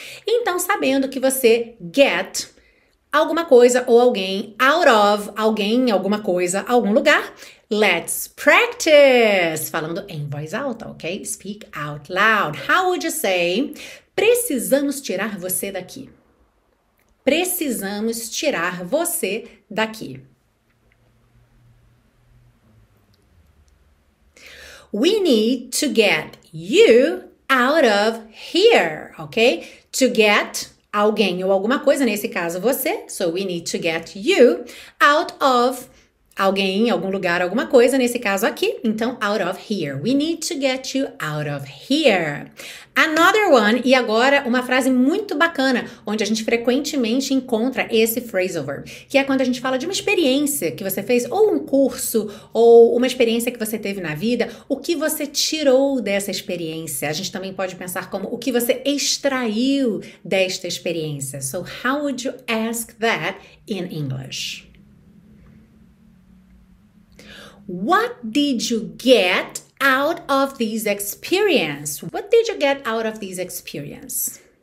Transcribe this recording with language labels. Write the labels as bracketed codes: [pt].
[pt] Então, sabendo que você get alguma coisa ou alguém out of alguém, alguma coisa, algum lugar, [en] let's practice! [pt] Falando em voz alta, ok? [en] Speak out loud. How would you say? [pt] Precisamos tirar você daqui. Precisamos tirar você daqui. [en] We need to get you out of here, ok? [pt] To get alguém ou alguma coisa, nesse caso você. [en] So we need to get you out of [pt] alguém, algum lugar, alguma coisa, nesse caso aqui. Então, [en] out of here. We need to get you out of here. Another one. [pt] E agora, uma frase muito bacana, onde a gente frequentemente encontra esse phrasal verb, que é quando a gente fala de uma experiência que você fez, ou um curso, ou uma experiência que você teve na vida, o que você tirou dessa experiência. A gente também pode pensar como o que você extraiu desta experiência. [en] So, how would you ask that in English? What did you get out of this experience? What did you get out of this experience?